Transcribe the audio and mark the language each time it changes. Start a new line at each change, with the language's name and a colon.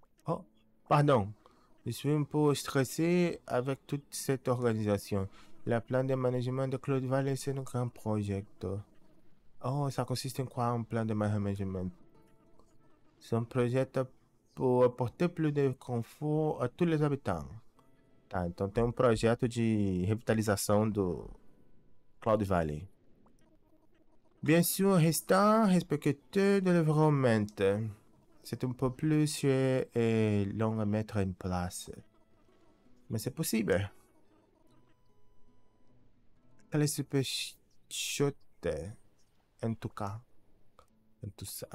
French: Oh, pardon. Je suis un peu stressé avec toute cette organisation. La plan de management de Claude va laisser un grand projet. Oh, ça consiste en quoi un plan de management? C'est un projet pour apporter plus de confort à tous les habitants.
Portuguese: Tá, então tem um projeto de revitalização do Cloud Valley.
French: Bien sûr, restant respectueux de l'environnement. C'est un peu plus cher et long à mettre en place. Mais c'est possible. Elle est super chouette. En tout cas. En tout ça.